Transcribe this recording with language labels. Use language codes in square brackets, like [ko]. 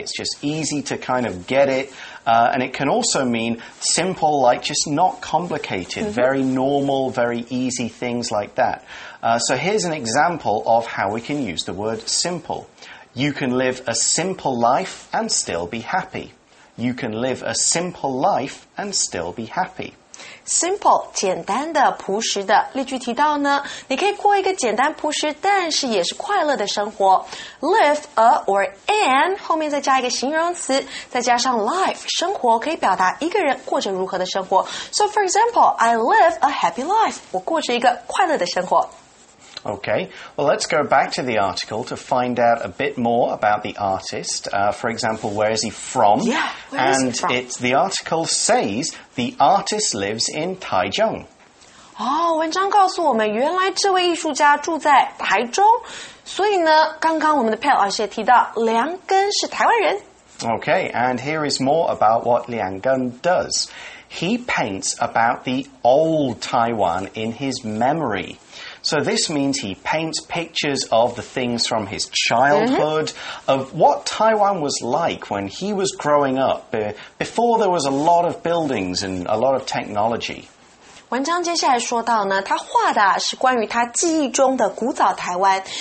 [en] It's just easy to kind of get it. And it can also mean simple, like just not complicated,very normal, very easy things like that. So here's an example of how we can use the word simple. You can live a simple life and still be happy. You can live a simple life and still be happy. [zh] Simple, 简单的、朴实的。例句提到呢，你可以过一个简单、朴实，但是也是快乐的生活。 [en] Live a or an [zh] 后面再加一个形容词，再加上 life 生活，可以表达一个人过着如何的生活。 [en] So for example, I live a happy life. [zh] 我过着一个快乐的生活。 [en] Okay, well, let's go back to the article to find out a bit more about the artist. For example, where is he from? Yeah, where is he from? And the article says the artist lives in Taichung. [zh] Oh, 文章告诉我们原来这位艺术家住在台中。所以呢，刚刚我们的 Pat 老师也提到梁根是台湾人。 [en] Okay, and here is more about what 梁根 does. He paints about the old Taiwan in his memory. So this means he paints pictures of the things from his childhood,、mm-hmm. of what Taiwan was like when he was growing up, before there was a lot of buildings and a lot of technology. [zh] 文章接下来说到呢，他画的、是关于他记忆中的古早台湾。